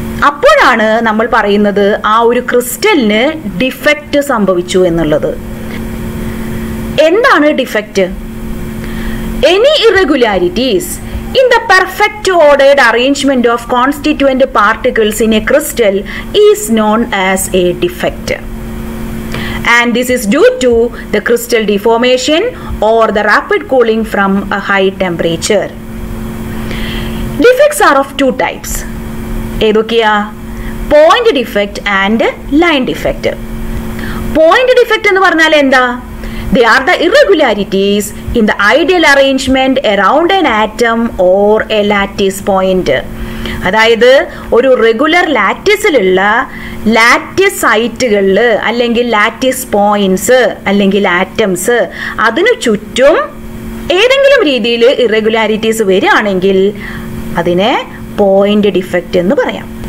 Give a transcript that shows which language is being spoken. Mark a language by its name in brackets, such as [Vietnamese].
[Malayalam] അപ്പോഴാണ് നമ്മൾ പറയുന്നത് ആ ഒരു ക്രിസ്റ്റലിന് ഡിഫക്റ്റ് സംഭവിച്ചു എന്നുള്ളത്. എന്താണ് defect? [English] Any irregularities in the perfect ordered arrangement of constituent particles in a crystal is known as a defect. And this is due to the crystal deformation or the rapid cooling from a high temperature. Defects are of two types. [Malayalam] Edokiya, [English] point defect and line defect. [Malayalam] Point defect ennu parnal enda? [English] They are the irregularities in the ideal arrangement around an atom or a lattice point. [Malayalam] അതായത് ഒരു regular ലാറ്റിസിലുള്ള lattice സൈറ്റുകളിൽ അല്ലെങ്കിൽ lattice points അല്ലെങ്കിൽ atoms അതിനു ചുറ്റും ഏതെങ്കിലും രീതിയിൽ irregularities വരികയാണെങ്കിൽ അതിനെ പോയിന്റ് ഡിഫക്റ്റ് എന്ന് പറയാം.